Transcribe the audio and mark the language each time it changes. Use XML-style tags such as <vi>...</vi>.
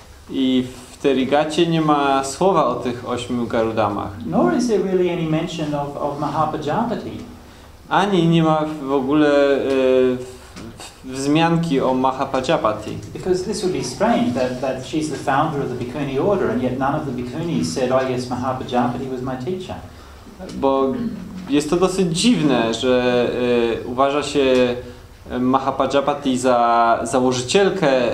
<pl>I w Terigacie nie ma słowa o tych 8 Garudamach.</pl> <en>Nor is there really any mention of Mahapajapati.</en> <pl>Ani nie ma w ogóle wzmianki o Mahapajapati.</pl> <en>Because this would be strange that she's the founder of the Bhikkhuni order and yet none of the Bhikkhunis said, oh yes, Mahapajapati was my teacher.</en> <pl>Bo jest to dosyć dziwne, że uważa się Mahapajapati za założycielkę</pl>